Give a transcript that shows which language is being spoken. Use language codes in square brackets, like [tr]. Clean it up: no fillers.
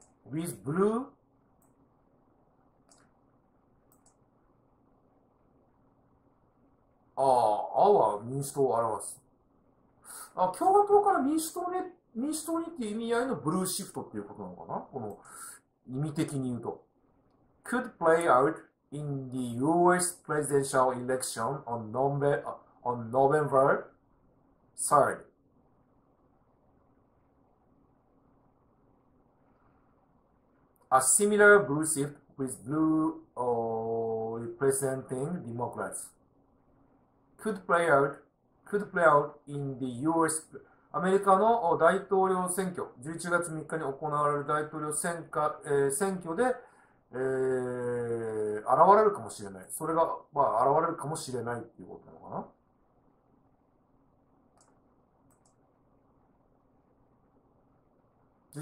[en] with blue [ja] ああ、青は民主党を表す。あ、共和党から民主党ね、民主党にっていう意味合いのブルーシフトっていうことなのかな？この意味的に言うと。 [en] Could play out in the US presidential election on November 3rd. A similar blue shift with blue representing Democrats. Could play out in the US [ja] アメリカの大統領選挙、11月3日に行われる大統領選挙で、現れるかもしれない。それが、まあ、現れるかもしれないっていうことなのかな。